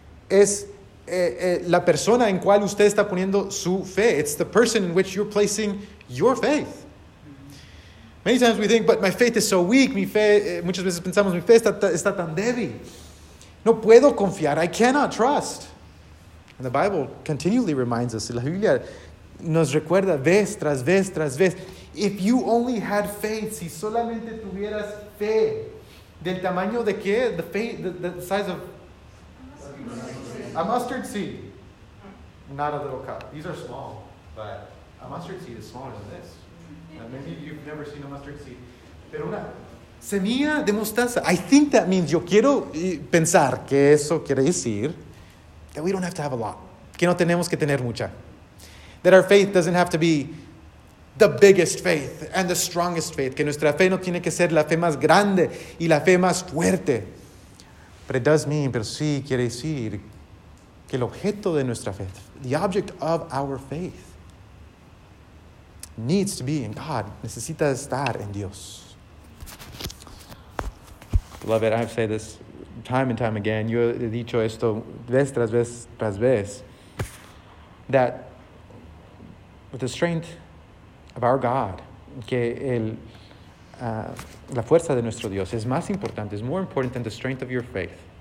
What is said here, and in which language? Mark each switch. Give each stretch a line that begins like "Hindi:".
Spanish: Es la persona en cual usted está poniendo su fe.
English: It's the person in which you're placing your faith. Many times we think, but my faith is so weak.
Spanish: Mi fe, muchas veces pensamos, mi fe está tan débil. No puedo confiar.
English: I cannot trust. And the Bible continually reminds us.
Spanish: La Biblia nos recuerda vez tras vez tras vez.
English: If you only had faith,
Spanish: si solamente tuvieras fe, ¿del tamaño de qué?
English: The faith, the size of a mustard seed, not a little cup. These are small, but a mustard seed is smaller than this. Maybe you've never seen a mustard seed.
Spanish: Pero una semilla de mostaza.
English: I think that means,
Spanish: yo quiero pensar que eso quiere decir
English: that we don't have to have a lot.
Spanish: Que no tenemos que tener mucha.
English: That our faith doesn't have to be the biggest faith and the strongest faith.
Spanish: Que nuestra fe no tiene que ser la fe más grande y la fe más fuerte.
English: But it does mean,
Spanish: pero sí quiere decir que el objeto de nuestra fe,
English: the object of our faith, needs to be in God.
Spanish: Necesita estar en Dios.
English: Beloved, I've said this time and time again.
Spanish: Yo he dicho esto vez tras vez tras vez.
English: That with the strength of our God,
Spanish: que el, la fuerza de nuestro Dios es más importante,
English: is more important than the strength of your faith.